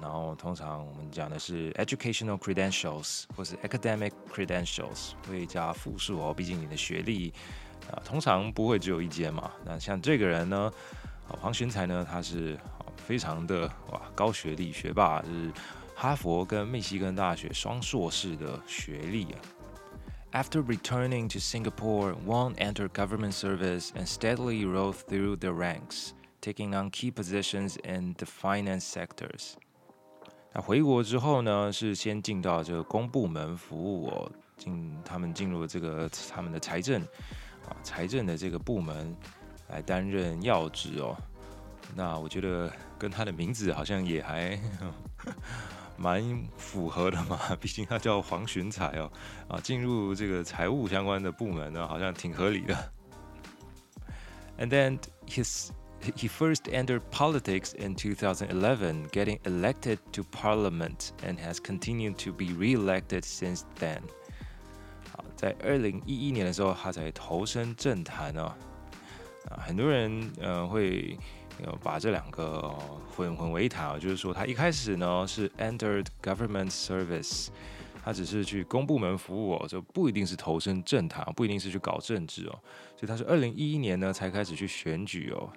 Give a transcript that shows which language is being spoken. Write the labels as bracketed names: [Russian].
[Chinese] 然后通常我们讲的是 [English] educational credentials [Chinese] 或是 [English] academic credentials， [Chinese] 会加复数哦，毕竟你的学历。通常不会只有一间嘛，那像这个人呢黄循财呢他是非常的哇高学历学霸，是哈佛跟密西根大学双硕士的学历、啊、 [English] After returning to Singapore, Wong entered government service and steadily rose through the ranks, taking on key positions in the finance sectors. [Chinese] 那回国之后呢是先进到这个公部门服务、哦、他们进入这个他们的财政的这个部门来担任要职哦，那我觉得跟他的名字好像也还蛮符合的嘛，毕竟他叫黄循财哦，啊，进入这个财务相关的部门呢，好像挺合理的。 [English] And then he first entered politics in 2011, getting elected to parliament, and has continued to be re-elected since then. [Chinese] 好，在2011年的时候，他才投身政坛哦。啊，很多人会。把这两个混为一谈，就是说他一开始呢是 [English] entered government service， [Chinese] 他只是去公部门服务，就不一定是投身政坛，不一定是去搞政治，所以他是2011年呢才开始去选举。